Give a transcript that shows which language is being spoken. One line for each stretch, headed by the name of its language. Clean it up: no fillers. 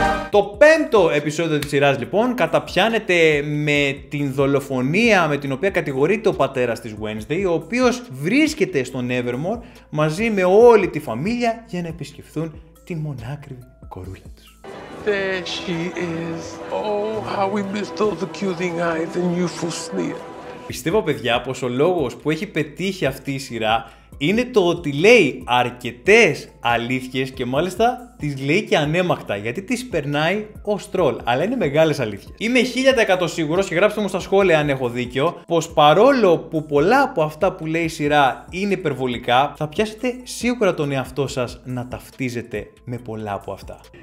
Greek: Το πέμπτο επεισόδιο της σειράς λοιπόν καταπιάνεται με την δολοφονία με την οποία κατηγορείται ο πατέρας της Wednesday, ο οποίος βρίσκεται στο Nevermore μαζί με όλη τη φαμίλια για να επισκεφθούν τη μονάκριβη κορούλα τους.
English: There she is. Oh, how we missed all the cute eyes and youthful sneer.
Greek: Πιστεύω, παιδιά, πως ο λόγος που έχει πετύχει αυτή η σειρά είναι το ότι λέει αρκετές αλήθειες και μάλιστα τις λέει και ανέμακτα, γιατί τις περνάει ως τρολ, αλλά είναι μεγάλες αλήθειες. Είμαι 1000% σίγουρος, και γράψτε μου στα σχόλια αν έχω δίκιο, πως παρόλο που πολλά από αυτά που λέει η σειρά είναι υπερβολικά, θα πιάσετε σίγουρα τον εαυτό σας να ταυτίζετε με πολλά από αυτά.